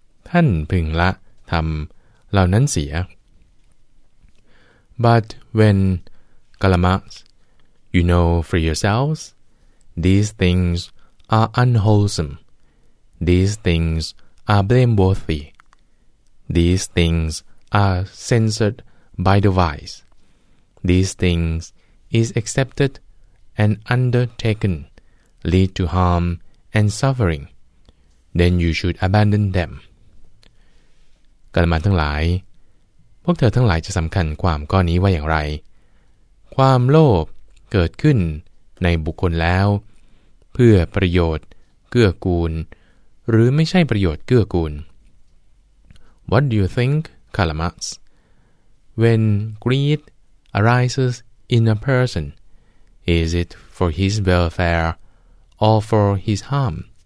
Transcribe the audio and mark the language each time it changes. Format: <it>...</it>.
<th>ท่านพึงละธรรมเหล่านั้นเสีย</th> <en>But when Kalamas, you know for yourselves, these things are unwholesome, these things are blameworthy, these thingsare censored by the wise. These things is accepted and undertaken, lead to harm and suffering. Then you should abandon them.</en> <th>กัลยาณมิตรทั้งหลายพวกเธอทั้งหลายจะสำคัญความก้อนนี้ว่าอย่างไรความโลภเกิดขึ้นในบุคคลแล้วเพื่อประโยชน์เกื้อกูลหรือไม่ใช่ประโยชน์เกื้อกูล</th> <en>What do you thinkKalamas, when greed arises in a person, is it for his welfare or for his harm?</en>